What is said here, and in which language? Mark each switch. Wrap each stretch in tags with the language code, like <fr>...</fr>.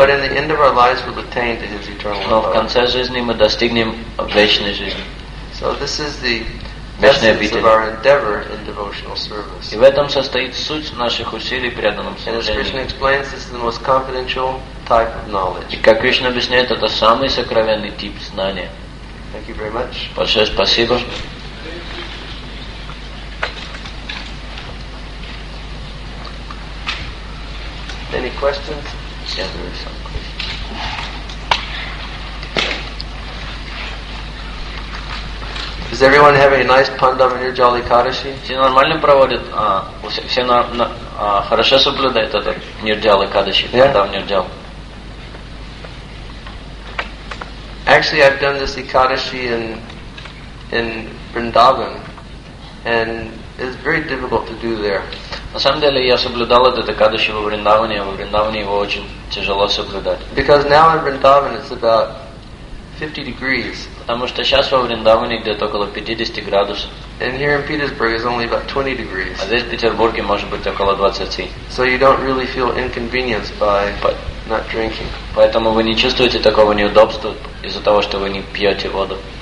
<en>But in the end of our lives, we'll attain to his eternal glory.</en> <ru>Но в конце жизни мы достигнем вечной жизни.</ru> <en>So this is the essence of our endeavor in devotional service.</en> <ru>И в этом состоит суть наших усилий преданном служении.</ru> <en>And as Krishna explains, this is the most confidential type of knowledge.</en> <ru>И как Кришна объясняет, это самый сокровенный тип знания.</ru> <en>Thank you very much.</en> <ru>Большое спасибо.</ru> <en>Any questions? Yeah, there is some questions. Is everyone having a nice pandav in your Jolly Kadashi?</en> <ru>Все нормально проводят, все хорошо соблюдают этот Нирджалы Кадаши, пандав Нирджал.</ru> <en>Actually, I've done this Ikadashi in Vrindavan, and it's very difficult to do there.</en> <ru>На самом деле я соблюдал этот Экадаши во Вриндаване, а во Вриндаване его очень тяжело соблюдать.</ru> <en>Because now in Vrindavan it's about 50 degrees.</en> <ru>Потому что сейчас во Вриндаване где-то около 50 градусов.</ru> <en>And here in Petersburg it's only about 20 degrees.</en> <ru>А здесь в Петербурге может быть около 20.</ru> <en>So you don't really feel inconvenienced by not drinking.</en> <ru>Поэтому вы не чувствуете такого неудобства из-за того, что вы не пьете воду.</ru>